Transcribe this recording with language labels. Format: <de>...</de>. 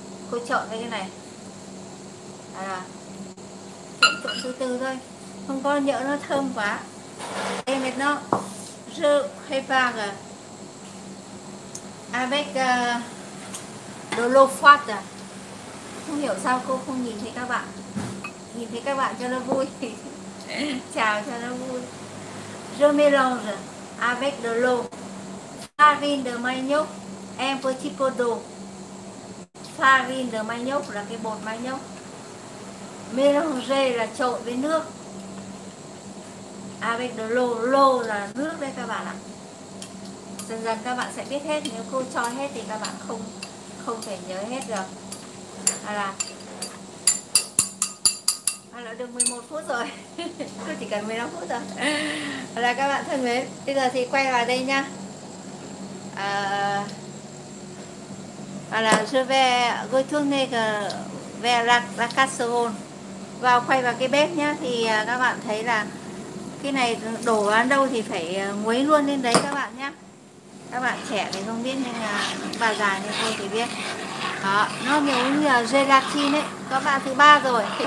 <vi>Cô chọn cái này là trộn từ từ thôi, không có nhỡ nó thơm quá em biết nó rơ hay pha rồi</vi> <fr>avec de l'eau froide.</fr> <vi>Không hiểu sao cô không nhìn thấy các bạn, nhìn thấy các bạn cho nó vui. Chào cho nó vui.</vi> <fr>Je mélange avec de l'eau, farine de manioc, un petit peu d'eau. Farine de manioc</fr> <vi>là cái bột manioc. Mélanger là trộn với nước.</vi> <fr>Avec de l'eau,</fr> <vi>l'eau là nước đây các bạn ạ. Dần dần các bạn sẽ biết hết, nếu cô cho hết thì các bạn không thể nhớ hết được. Là được 11 phút rồi. Tôi chỉ cần 15 phút rồi. Là các bạn thân mến, bây giờ thì quay vào đây nha. Là</vi> <fr>je vais retourner vers la casserole.</fr> <vi>Vào quay vào cái bếp nhá, thì các bạn thấy là cái này đổ vào đâu thì phải muối luôn lên đấy các bạn nhá. Các bạn trẻ thì không biết, nhưng bà già như tôi thì biết. Đó, nó giống như là gelatin ấy, có bạn thứ ba rồi.</vi>